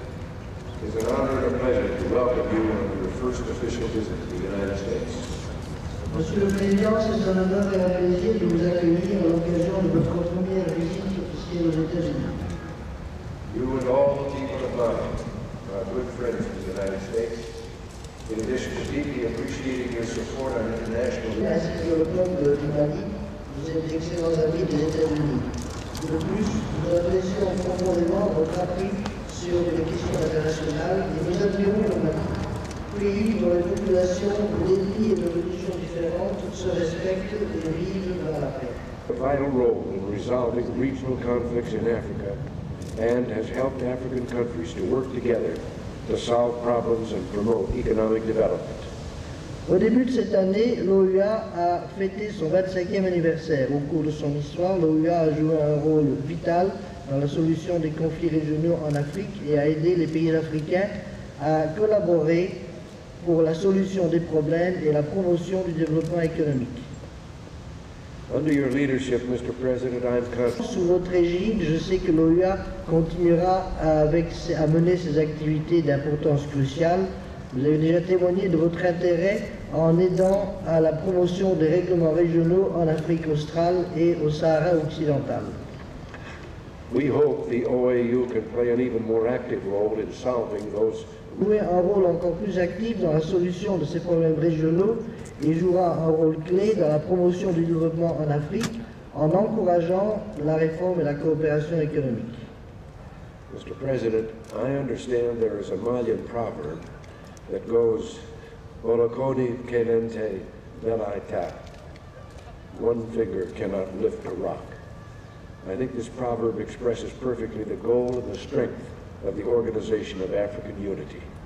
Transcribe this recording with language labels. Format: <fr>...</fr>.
<en>thought of you on your first official visit to the United States.</en> <fr>Monsieur le Président, c'est un honneur et un plaisir de vous accueillir à l'occasion de votre première visite officielle aux États-Unis.</fr> <en>You and all the people of mine are good friends of the United States. In addition to deeply appreciating your support on international issues.</en> <fr>Ainsi que le peuple de Mali, vous êtes d'excellents amis des États-Unis. De plus, nous apprécions profondément votre appui sur les questions internationales et nous admirons le Mali. Pays dont les populations, les pays et les religions différentes se respectent et vivent dans la paix.</fr> <en>A vital role in resolving regional conflicts in Africa. And has helped African countries to work together to solve problems and promote economic development.</en> <fr>Au début de cette année, l'OUA a fêté son 25e anniversaire. Au cours de son histoire, l'OUA a joué un rôle vital dans la solution des conflits régionaux en Afrique et a aidé les pays africains à collaborer pour la solution des problèmes et la promotion du développement économique.</fr> <en>Under your leadership, Mr. President, I'm confident.</en> <fr>Sous votre égide, je sais que l'OUA continuera à mener ses activités d'importance cruciale. Vous avez déjà témoigné de votre intérêt en aidant à la promotion des règlements régionaux en Afrique australe et au Sahara occidental.</fr> <en>We hope the OAU can play an even more active role in solving those.</en> <fr>Jouer un rôle encore plus actif dans la solution de ces problèmes régionaux et jouera un rôle clé dans la promotion du développement en Afrique en encourageant la réforme et la coopération économique.</fr> <en>Mr. President, I understand there is a Malian proverb that goes</en> <bm>Bolokoni Kelente Belaita.</bm> <en>One finger cannot lift a rock. I think this proverb expresses perfectly the goal and the strength of the Organization of African Unity.</en>